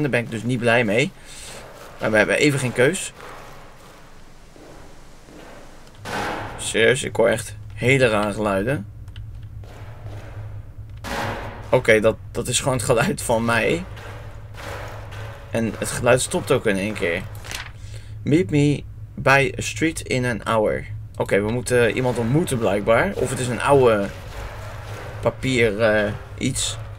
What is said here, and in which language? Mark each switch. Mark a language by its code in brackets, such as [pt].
[nl] Daar ben ik dus niet blij mee. Maar we hebben even geen keus. Serieus, ik hoor echt hele rare geluiden. Oké, dat is gewoon het geluid van mij. En het geluid stopt ook in één keer. [en] Meet me by a street in an hour. [nl] Oké, we moeten iemand ontmoeten blijkbaar. Of het is een oude papier iets.